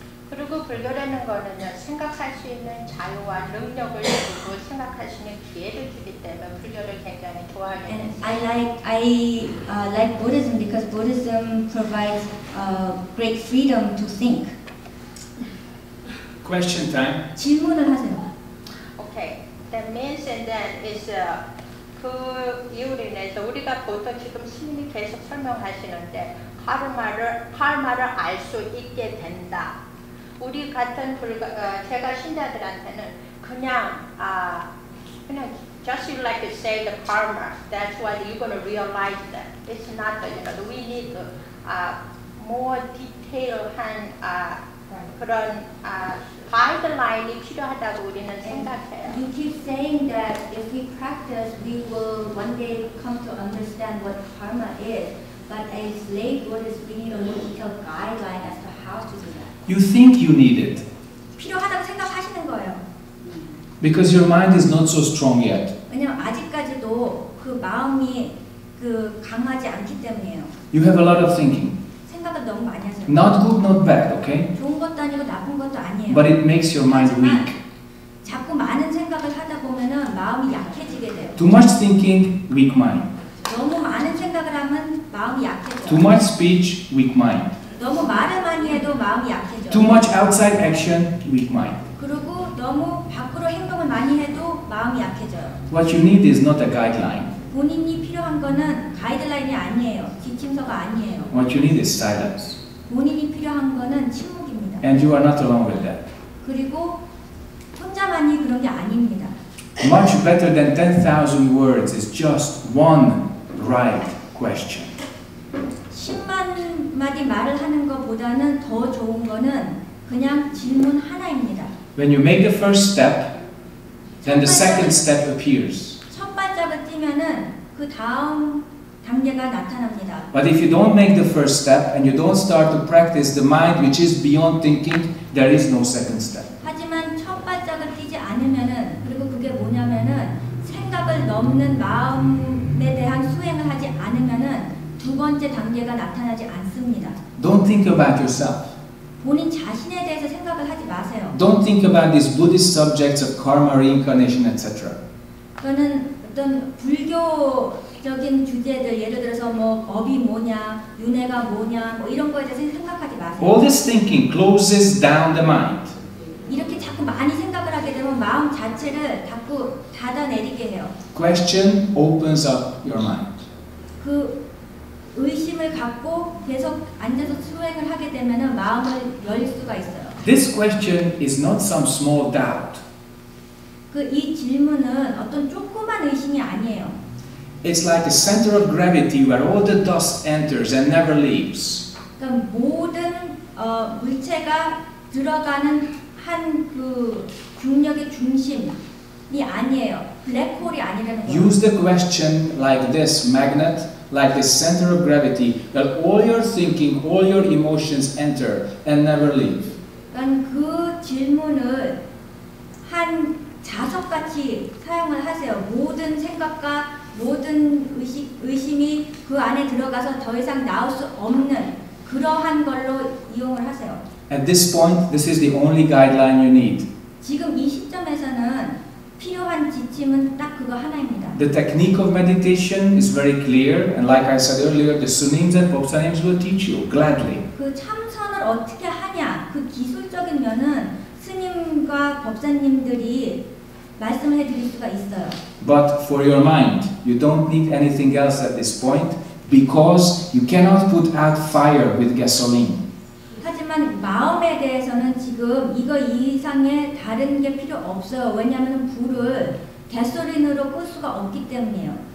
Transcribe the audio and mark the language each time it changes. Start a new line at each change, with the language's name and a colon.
Korean: 그리고 불교라는 거는요, 생각할 수 있는 자유와 능력을 주고 생각할 수 있는 기회를 주기 때문에 불교를 굉장히 좋아하게 됐어요.
English: And I like Buddhism because Buddhism provides great freedom to think. Question time.
Korean: 질문을 하세요.
English: Okay, that means and then is
Korean: 그 이유로 인해서 우리가 보통 지금 스님이 계속 설명하시는데 카르마를 알 수 있게 된다. 우리 같은 불가 제가 신자들한테는 그냥 그냥
English: just you like to say the karma that's what you're gonna realize that it's not the, you know we need the more detailed한 그런 guideline이
Korean: 필요하다고 우리는 생각해요.
English: And you keep saying that if we practice we will one day come to understand what karma is, but as lay Buddhists we need a more detailed guideline as to how to do that. You think you need it.
Korean: 필요하다고 생각하시는 거예요.
English: Because your mind is not so strong yet.
Korean: 왜냐면 아직까지도 그 마음이 그 강하지 않기 때문이에요.
English: You have a lot of thinking.
Korean: 생각을 너무 많이 하세요.
English: Not good, not bad, okay?
Korean: 좋은 것도 아니고 나쁜 것도 아니에요.
English: But it makes your mind weak.
Korean: 자꾸 많은 생각을 하다 보면은 마음이 약해지게 돼요.
English: Too much thinking, weak mind.
Korean: 너무 많은 생각을 하면 마음이 약해져요.
English: Too much speech, weak mind.
Korean: 너무 말을 많이 해도 마음이 약해져.
English: Too much outside action, weak mind.
Korean: 그리고 너무 밖으로 행동을 많이 해도 마음이 약해져.
English: What you need is not a guideline.
Korean: 본인이 필요한 거는 가이드라인이 아니에요. 지침서가 아니에요.
English: What you need is silence.
Korean: 본인이 필요한 거는 침묵입니다.
English: And you are not alone with that.
Korean: 그리고 혼자만이 그런 게 아닙니다.
English: Much better than 10,000 words is just one right question.
Korean: 10만 마디 말을 하는 것보다는 더 좋은 거는 그냥 질문 하나입니다.
English: When you make the first step, then the second step appears.
Korean: 첫 발짝을 뛰면은 그 다음 단계가 나타납니다.
English: But if you don't make the first step and you don't start to practice the mind which is beyond thinking, there is no second step.
Korean: 하지만 첫 발짝을 뛰지 않으면은 그리고 그게 뭐냐면은 생각을 넘는 마음에 대한 수행을 하지 않으면은 두 번째 단계가 나타나지 않습니다.
English: Don't think about yourself.
Korean: 본인 자신에 대해서 생각을 하지 마세요.
English: Don't think about these Buddhist subjects of karma, reincarnation, etc.
Korean: 저는 어떤 불교적인 주제들, 예를 들어서 뭐 업이 뭐냐, 윤회가 뭐냐, 뭐 이런 거에 대해서 생각하지 마세요.
English: All this thinking closes down the mind.
Korean: 이렇게 자꾸 많이 생각을 하게 되면 자체를 닫고 닫아내리게 해요.
English: Question opens up your mind.
Korean: 그 의심을 갖고 계속 앉아서 수행을 하게 되면은 마음을 열 수가 있어요.
English: This question is not some small doubt.
Korean: 그 이 질문은 어떤 조그만 의심이 아니에요.
English: It's like a center of gravity where all the dust enters and never leaves.
Korean: 그러니까 모든 물체가 들어가는 한 그 중력의 중심이 아니에요. 블랙홀이 아니라는 거예요.
English: Use the question like this magnet, like the center of gravity, that all your thinking, all your emotions enter and never leave.
Korean: 그러니까 그 질문을 한 자석같이 사용을 하세요. 모든 생각과 모든 의심이 그 안에 들어가서 더 이상 나올 수 없는 그러한 걸로 이용을 하세요.
English: At this point, this is the only guideline you need.
Korean: 지금 이 시점에서는 필요한 지침은 딱 그거 하나입니다.
English: The technique of meditation is very clear, and like I said earlier, the sunnims and bhoksanims will teach you gladly.
Korean: 그 참선을 어떻게 하냐, 그 기술적인 면은 스님과 법사님들이 말씀해 드릴 수가 있어요.
English: But for your mind, you don't need anything else at this point because you cannot put out fire with gasoline.
Korean: 하지만 마음에 대해서는 지금 이거 이상의 다른 게 필요 없어요. 왜냐하면 불을 가솔린으로 끌 수가 없기 때문이에요.